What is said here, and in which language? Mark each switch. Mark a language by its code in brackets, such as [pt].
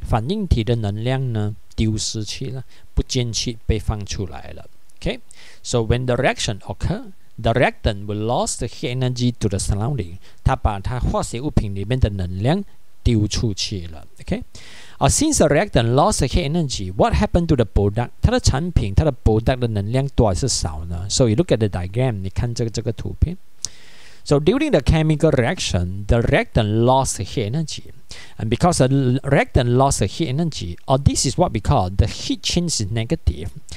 [zh] 反应体的能量呢丢失去了，不见去被放出来了。 [en] Okay, so when the reaction occurs, the reactant will lose the heat energy to the surrounding. [zh] 它把它化学物品里面的能量丢出去了。 [en] Okay, since the reactant lost the heat energy, what happened to the product? [zh] 它的产品，它的 product 的能量多还是少呢？ [en] So you look at the diagram, [zh] 你看这个图片。 [en] So during the chemical reaction, the reactant lost the heat energy. And because the reactant lost the heat energy, or this is what we call the heat change is negative.